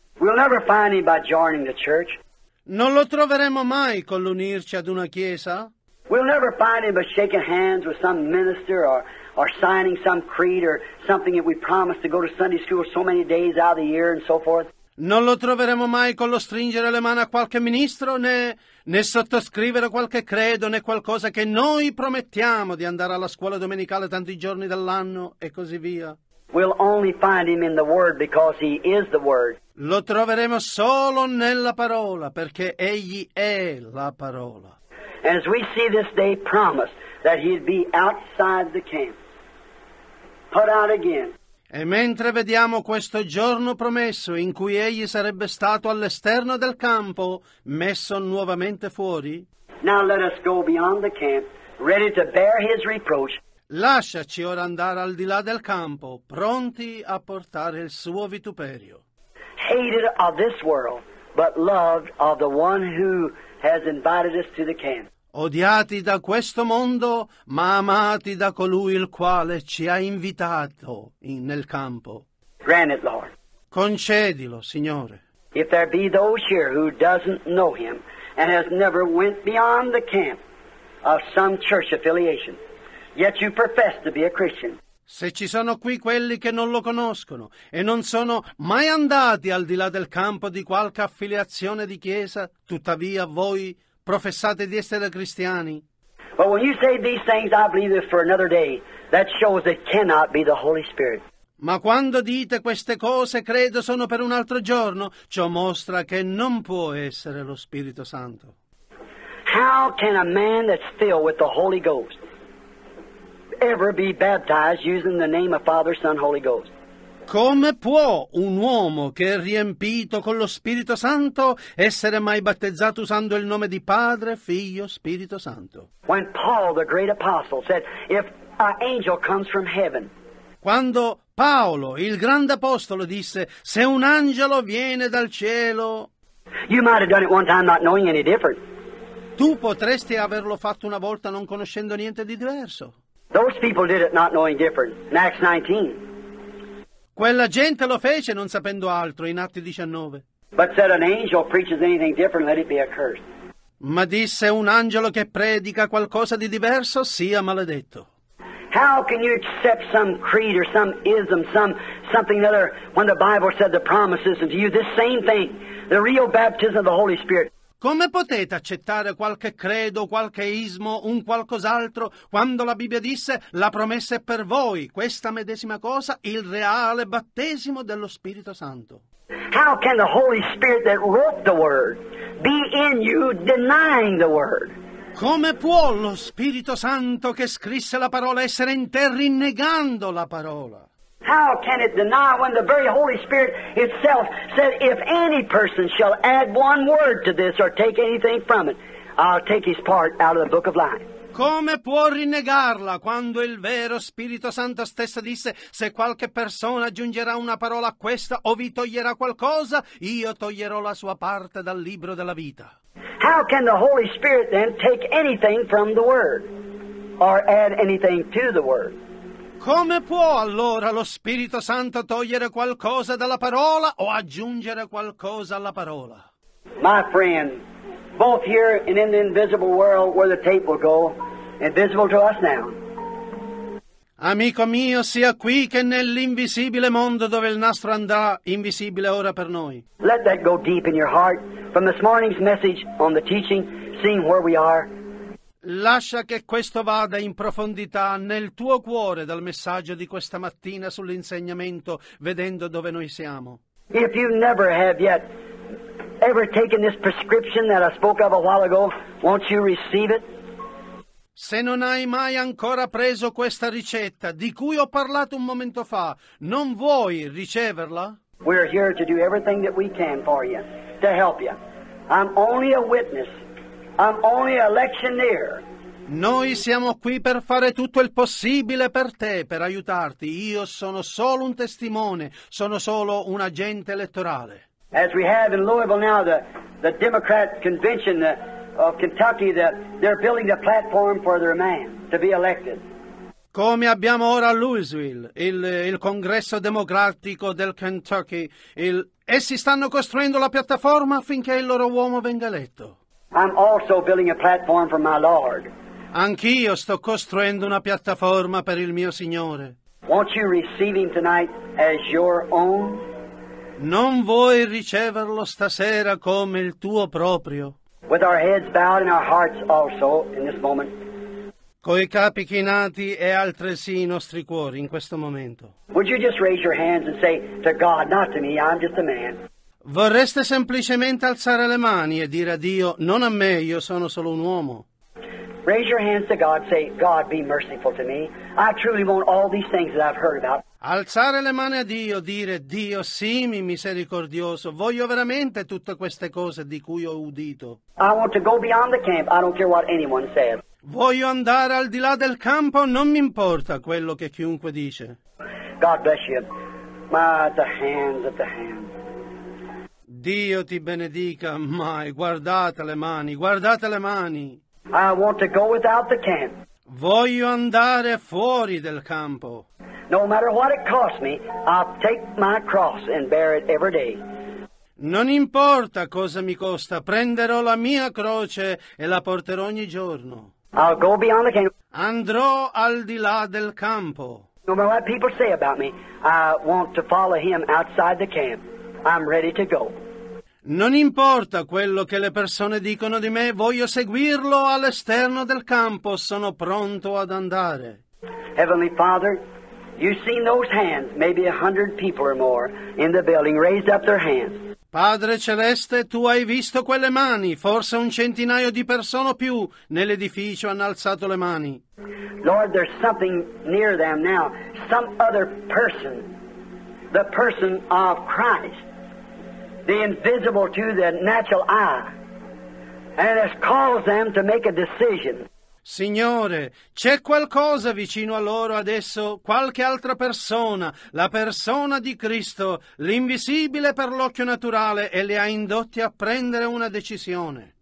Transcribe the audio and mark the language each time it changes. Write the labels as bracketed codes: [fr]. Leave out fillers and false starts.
[en] We'll never find him by joining the church. [it] Non lo troveremo mai con l'unirci ad una chiesa. [en] We'll never find him by shaking hands with some minister or signing some creed or something that we promised to go to Sunday school so many days out of the year and so forth. [it] Non lo troveremo mai con lo stringere le mani a qualche ministro, né sottoscrivere qualche credo, né qualcosa che noi promettiamo di andare alla scuola domenicale tanti giorni dell'anno e così via. [en] We'll only find him in the Word because he is the Word. [it] Lo troveremo solo nella parola, perché egli è la parola. [en] As we see this day promised that he'd be outside the camp, put out again. [it] E mentre vediamo questo giorno promesso in cui egli sarebbe stato all'esterno del campo, messo nuovamente fuori, [en] now let us go beyond the camp, ready to bear his reproach. [it] Lasciaci ora andare al di là del campo, pronti a portare il suo vituperio. [en] Hated of this world, but loved of the one who has invited us to the camp. [it] Odiati da questo mondo, ma amati da colui il quale ci ha invitato nel campo. [en] Grant it, Lord. [it] Concedilo, Signore. [en] If there be those here who doesn't know him and has never went beyond the camp of some church affiliation, yet you profess to be a Christian. [it] Se ci sono qui quelli che non lo conoscono e non sono mai andati al di là del campo di qualche affiliazione di chiesa, tuttavia voi professate di essere cristiani. [en] But when you say these things, I believe it for another day. That shows it cannot be the Holy Spirit. [it] Ma quando dite queste cose, credo sono per un altro giorno, ciò mostra che non può essere lo Spirito Santo. [en] How can a man that's filled with the Holy Ghost ever be baptized using the name of Father, Son, Holy Ghost? [it] Come può un uomo che è riempito con lo Spirito Santo essere mai battezzato usando il nome di Padre, Figlio, Spirito Santo? [en] When Paul, the great apostle, said, if an angel comes from heaven. [it] Quando Paolo, il grande apostolo, disse, se un angelo viene dal cielo. [en] You might have done it one time not knowing any different. [it] Tu potresti averlo fatto una volta non conoscendo niente di diverso. [en] Those people did it not knowing different in Acts 19. [it] Quella gente lo fece non sapendo altro in Atti 19. [en] But said an angel preaches anything different, let it be accursed. [it] Ma disse un angelo che predica qualcosa di diverso sia maledetto. [en] How can you accept some creed or some ism, something other when the Bible said the promises to you this same thing, the real baptism of the Holy Spirit? [it] Come potete accettare qualche credo, qualche ismo, un qualcos'altro, quando la Bibbia disse la promessa è per voi, questa medesima cosa, il reale battesimo dello Spirito Santo? [en] How can the Holy Spirit that wrote the word be in you denying the word? [it] Come può lo Spirito Santo che scrisse la parola essere in te rinnegando la parola? [en] How can it deny when the very Holy Spirit itself said, if any person shall add one word to this or take anything from it, I'll take his part out of the book of life? [it] Come può rinnegarla quando il vero Spirito Santo stesso disse, se qualche persona aggiungerà una parola a questa o vi toglierà qualcosa, io toglierò la sua parte dal libro della vita? [en] How can the Holy Spirit then take anything from the word or add anything to the word? [it] Come può allora lo Spirito Santo togliere qualcosa dalla parola o aggiungere qualcosa alla parola? [en] My friend, both here and in the invisible world where the tape will go, invisible to us now. [it] Amico mio, sia qui che nell'invisibile mondo dove il nastro andrà, invisibile ora per noi. [en] Let that go deep in your heart from this morning's message on the teaching, seeing where we are. [it] Lascia che questo vada in profondità nel tuo cuore dal messaggio di questa mattina sull'insegnamento, vedendo dove noi siamo. [en] If you never have yet ever taken this prescription that I spoke of a while ago, won't you receive it? [it] Se non hai mai ancora preso questa ricetta di cui ho parlato un momento fa, non vuoi riceverla? [en] We're here to do everything that we can for you, to help you. I'm only a witness. I'm only an electioneer. [it] Noi siamo qui per fare tutto il possibile per te, per aiutarti. Io sono solo un testimone, sono solo un agente elettorale. [en] As we have in Louisville now the Democrat convention of Kentucky, that they're building the platform for their man to be elected. [it] Come abbiamo ora a Louisville, il congresso democratico del Kentucky, essi stanno costruendo la piattaforma affinché il loro uomo venga eletto. [en] I'm also building a platform for my Lord. [it] Anch'io sto costruendo una piattaforma per il mio Signore. [en] Won't you receive him tonight as your own? [it] Non vuoi riceverlo stasera come il tuo proprio? [en] With our heads bowed and our hearts also in this moment. [it] Coi capi chinati e altresì i nostri cuori in questo momento. [en] Would you just raise your hands and say to God, not to me, I'm just a man. [it] Vorreste semplicemente alzare le mani e dire a Dio, non a me, io sono solo un uomo. [en] Raise your hands to God, say, God, be merciful to me. I truly want all these things that I've heard about. [it] Alzare le mani a Dio, dire, Dio, sii mi misericordioso. Voglio veramente tutte queste cose di cui ho udito. [en] I want to go beyond the camp. I don't care what anyone says. [it] Voglio andare al di là del campo. Non mi importa quello che chiunque dice. [en] God bless you. My, the hands of the hands. [it] Dio ti benedica, mai, guardate le mani, guardate le mani. [en] I want to go without the camp. [it] Voglio andare fuori del campo. [en] No matter what it costs me, I'll take my cross and bear it every day. [it] Non importa cosa mi costa, prenderò la mia croce e la porterò ogni giorno. [en] I'll go beyond the camp. [it] Andrò al di là del campo. [en] No matter what people say about me, I want to follow him outside the camp. I'm ready to go. [it] Non importa quello che le persone dicono di me, voglio seguirlo all'esterno del campo, sono pronto ad andare. [en] Heavenly Father, you've seen those hands, maybe 100 people or more in the building raised up their hands. [it] Padre celeste, tu hai visto quelle mani, forse un centinaio di persone o più nell'edificio hanno alzato le mani. [en] Lord, there's something near them now, some other person. The person of Christ, the invisible to the natural eye, and has caused them to make a decision. [it] Signore, c'è qualcosa vicino a loro adesso, qualche altra persona, la persona di Cristo, l'invisibile per l'occhio naturale, e li ha indotti a prendere una decisione.